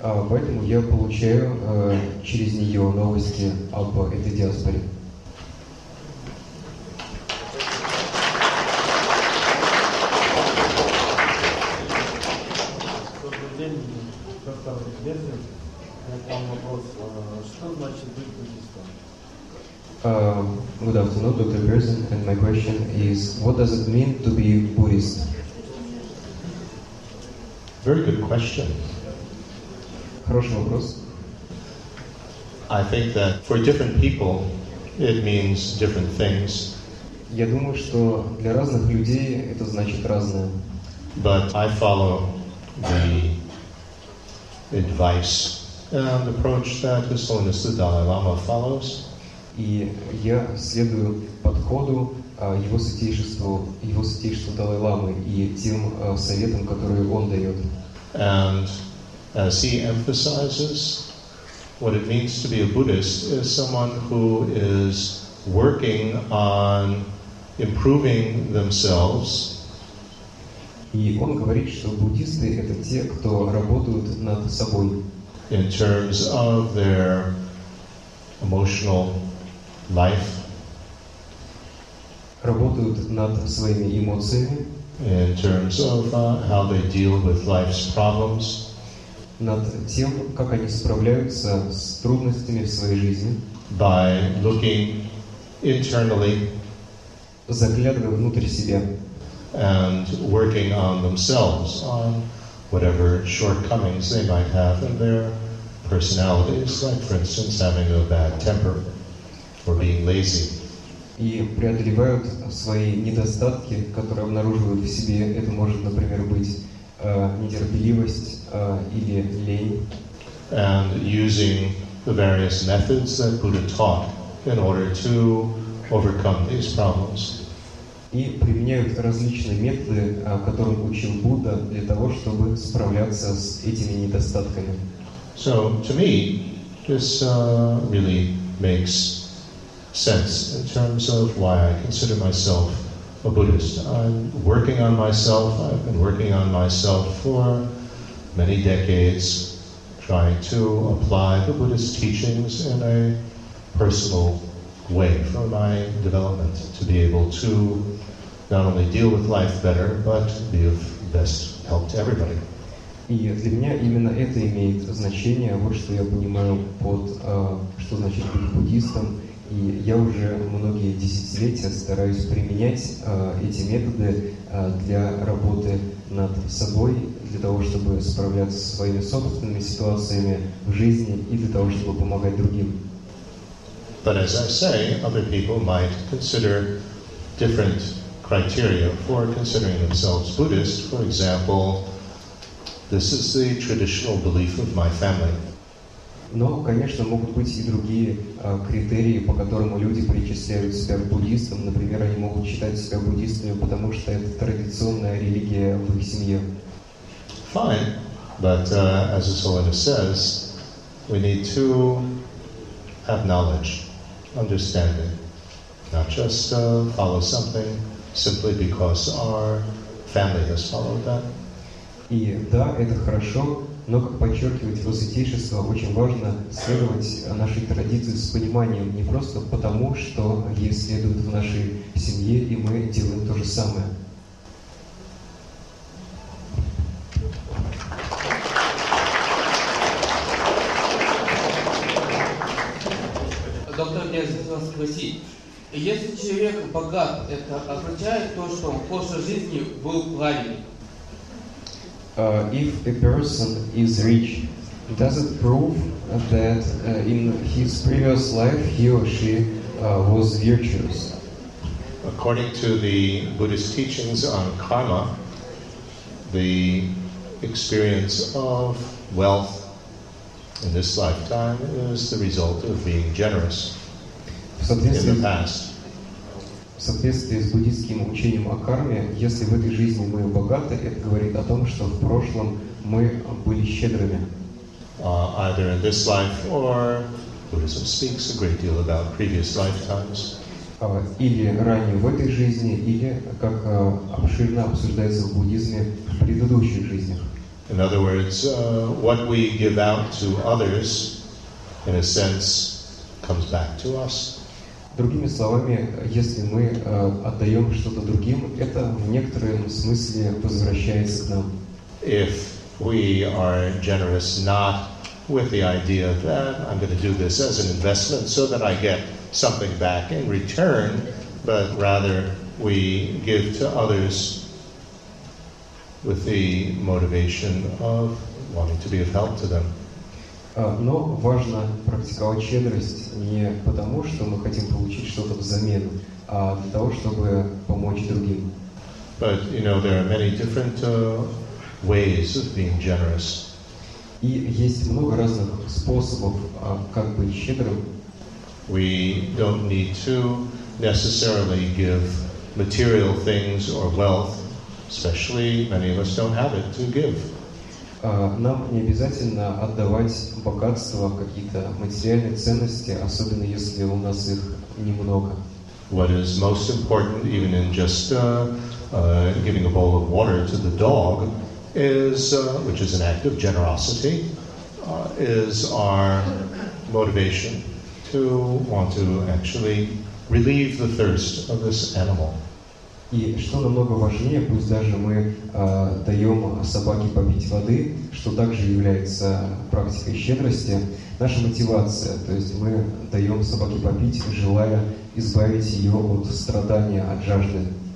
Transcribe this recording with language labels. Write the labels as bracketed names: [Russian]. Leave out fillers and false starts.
[Russian] Поэтому я получаю через нее новости об этой диаспоре. [English] Good afternoon, Dr. Berzin, and my question is, what does it mean to be Buddhist? Very good question. [Russian] Хороший вопрос. [English] I think that for different people, it means different things. [Russian] Я думаю, что для разных людей это значит разное. [English] But I follow the advice and approach that His Holiness the Dalai Lama follows. [Russian] И я следую подходу его святейшеству Далай-ламы и тем советам, которые он дает. [English] And as he emphasizes, what it means to be a Buddhist is someone who is working on improving themselves. [Russian] И он говорит, что буддисты — это те, кто работают над собой. [English] In terms of their emotional life. [Russian] Работают над своими эмоциями. [English] In terms of how they deal with life's problems. [Russian] Над тем, как они справляются с трудностями в своей жизни. [English] By looking internally. [Russian] Заглядывая внутрь себя. [English] And working on themselves, on whatever shortcomings they might have in their personalities, like, for instance, having a bad temper or being lazy. [Russian] И преодолевают свои недостатки, которые обнаруживают в себе. Это может, например, быть нетерпеливость или лень. [English] And using the various methods that Buddha taught in order to overcome these problems. [Russian] И применяют различные методы, которым учил Будда, для того, чтобы справляться с этими недостатками. [English] So, to me, this really makes sense in terms of why I consider myself a Buddhist. I'm working on myself. I've been working on myself for many decades, trying to apply the Buddhist teachings in a personal way for my development, to be able to not only deal with life better, but be of best help to everybody. [Russian] И для меня именно это имеет значение, вот что я понимаю под что значит быть буддистом. И я уже многие десятилетия стараюсь применять эти методы для работы над собой, для того, чтобы справляться со своими собственными ситуациями в жизни и для того, чтобы помогать другим. [English] But as I say, other people might consider different criteria for considering themselves Buddhist. For example, this is the traditional belief of my family. [Russian] Но, конечно, могут быть и другие критерии, по которым люди причисляют себя буддистам. Например, они могут считать себя буддистами, потому что это традиционная религия в их семье. [English] Fine, but as His Holiness says, we need to have knowledge, understanding, not just follow something simply because our family has followed that. [Russian] И да, это хорошо, но, как подчеркивает Его Святейшество, очень важно следовать нашей традиции с пониманием, не просто потому, что ей следуют в нашей семье, и мы делаем то же самое. Доктор, мне хотелось вас спросить, если человек богат, это означает то, что он в прошлой жизни был праведным? [English] If a person is rich, does it prove that in his previous life he or she was virtuous? According to the Buddhist teachings on karma, the experience of wealth in this lifetime is the result of being generous in the past. [Russian] В соответствии с буддийским учением о карме, если в этой жизни мы богаты, это говорит о том, что в прошлом мы были щедрыми. [English] Either in this life or Buddhism speaks a great deal about previous lifetimes. [Russian] Или ранее в этой жизни, или, как обширно обсуждается в буддизме, в предыдущих жизнях. [English] In other words, what we give out to others, in a sense, comes back to us. [Russian] Другими словами, если мы отдаем что-то другим, это в некотором смысле возвращается к нам. [English] If we are generous not with the idea that I'm going to do this as an investment so that I get something back in return, but rather we give to others with the motivation of wanting to be of help to them. [Russian] Но важно практиковать щедрость не потому, что мы хотим получить что-то взамен, а для того, чтобы помочь другим. [English] But, you know, there are many different ways of being generous. [Russian] И есть много разных способов, как быть щедрым. [English] We don't need to necessarily give material things or wealth, especially many of us don't have it to give. [Russian] нам не обязательно отдавать богатство, какие-то материальные ценности, особенно если у нас их немного. [English] What is most important, even in just giving a bowl of water to the dog, is which is an act of generosity, is our motivation to want to actually relieve the thirst of this animal. [Russian] И что намного важнее, пусть даже мы даем собаке попить воды, что также является практикой щедрости, наша мотивация, то есть мы даем собаке попить, желая избавить ее от страдания, от жажды.